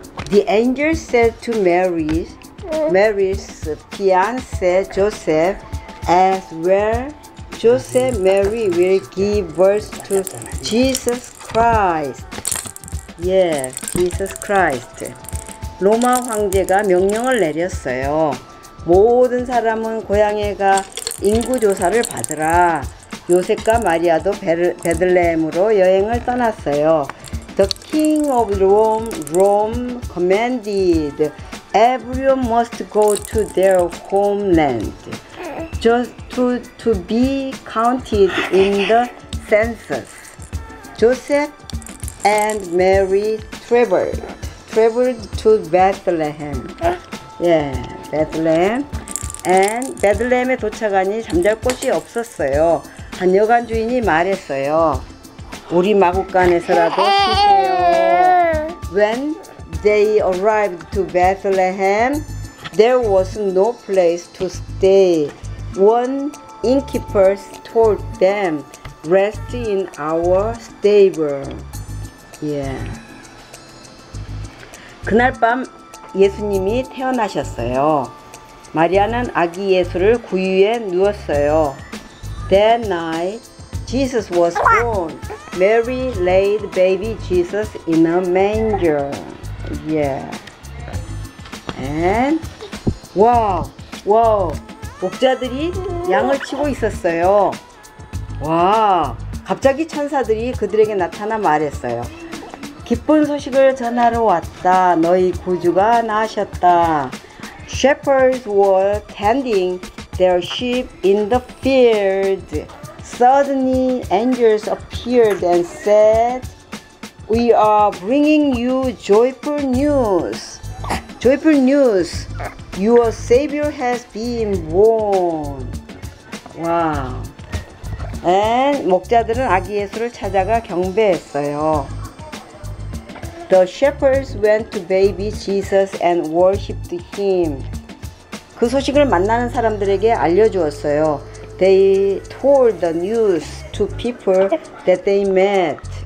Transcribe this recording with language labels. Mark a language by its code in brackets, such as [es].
[en] The angel said to Mary, Mary's fiancé Joseph, as well Joseph Mary will give birth to Jesus Christ. Yeah, Jesus Christ. [ko] 로마 황제가 명령을 내렸어요. 모든 사람은 고향에 가 인구 조사를 받으라. 요셉과 마리아도 베들레헴으로 여행을 떠났어요. [en] The king of Rome commanded everyone must go to their homeland just to be counted in the census. Joseph and Mary traveled to Bethlehem. Yeah, Bethlehem. [ko] And Bethlehem에 도착하니 잠잘 곳이 없었어요. 한 여관 주인이 말했어요. 우리 마구간에서라도 쉬세요. [en] When they arrived to Bethlehem, there was no place to stay. One innkeeper told them, rest in our stable. Yeah. [ko] 그날 밤 예수님이 태어나셨어요. 마리아는 아기 예수를 구유에 누웠어요. [en] That night, Jesus was born. Mary laid baby Jesus in a manger. Yeah. And, wow, wow. [ko] 목자들이 양을 치고 있었어요. 와, 갑자기 천사들이 그들에게 나타나 말했어요. 기쁜 소식을 전하러 왔다. 너희 구주가 나셨다. [en] Shepherds were tending their sheep in the field. Suddenly, angels appeared and said, We are bringing you joyful news. Joyful news. Your Savior has been born. Wow. [ko] And 목자들은 아기 예수를 찾아가 경배했어요. [en] The shepherds went to baby Jesus and worshipped him. [ko] 그 소식을 만나는 사람들에게 알려주었어요. [en] They told the news to people that they met.